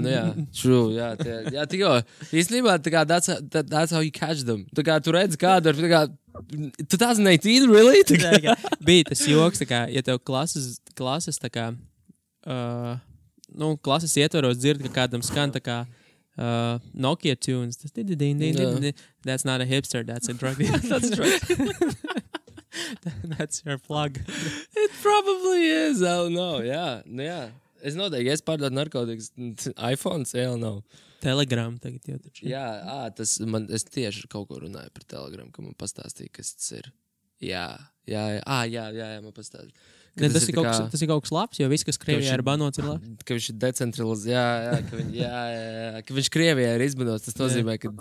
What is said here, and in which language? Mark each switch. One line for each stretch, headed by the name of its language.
Latvian: Nu jā, true, jā, tie, jā, tik jo, īstenībā, tā kā,
English: that's how you catch them,
Latvian: tā kā, tu redzi kādu, tā kā, 2018, really? Tā kā, bija tas joks, tā kā, ja tev klases, tā kā, nu, klases ietvaros dzird, ka kādam skan, tā kā, Nokia tunes, tas
English: that's not a hipster, that's a drug dealer. That's true. That's your plug. It probably is, I don't know, yeah,
Latvian: nu jā. Es noteikti, ja es pārdotu narkotikas, iPhones, jau nav. Telegram tagad jau taču. Jā, ā, tas man, es tieši kaut ko runāju par Telegram, ka man pastāstīja, kas tas ir. Jā, man pastāstīja. Ne, tas, ir kā... kas, tas ir kaut kas labs, jo viss, kas Krievijā ir banots, ir labi. Ka viņš ir decentralizēts, ka viņš Krievijā ir izbanots, tas nozīmē, ka...